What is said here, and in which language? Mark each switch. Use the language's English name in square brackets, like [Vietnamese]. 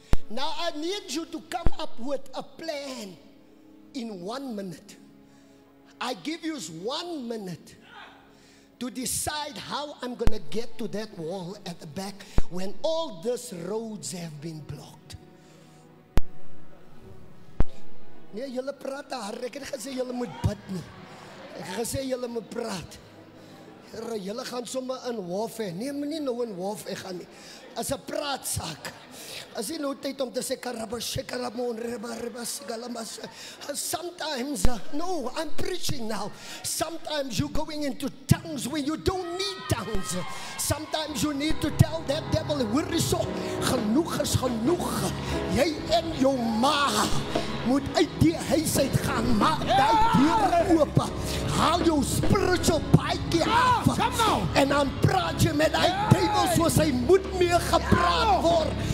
[English] Now I need you to come up with a plan in 1 minute. I give you 1 minute to decide how I'm gonna get to that wall at the back when all these roads have been blocked. [Afrikaans] Nee, julle praat te hard. Ek het gesê julle moet bid nie. Ek het gesê julle moet praat. Here, julle gaan sommer in warfare. Nee, moenie nou in warfare gaan nie. As 'n praatsaak. As jy nou tyd om te sê karabo shekaramon rebarba sigalamas. [English] Sometimes, no, I'm preaching now. Sometimes you're going into tongues where you don't need tongues. Sometimes you need to tell that devil, [Afrikaans] hoor is so, genoeg is genoeg. Jy en jou ma moet uit die huis uit gaan. Maak die deur oop. Haal jou spiritual baie af. En dan praat jy met die duivel soos hy moet mee gepraat word.